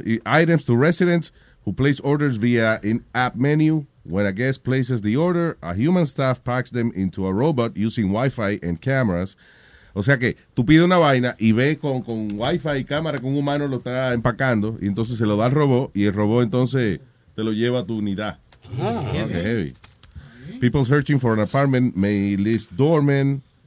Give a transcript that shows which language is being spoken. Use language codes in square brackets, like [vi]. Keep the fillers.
[en] Y items to residents who place orders via in app menu where a guest places the order, a human staff packs them into a robot using Wi-Fi and cameras. [es] O sea que tú pides una vaina y ve con, con Wi-Fi y cámara que un humano lo está empacando y entonces se lo da al robot y el robot entonces te lo lleva a tu unidad. [en] Oh, heavy. Okay, heavy. People searching for an apartment may list doorman.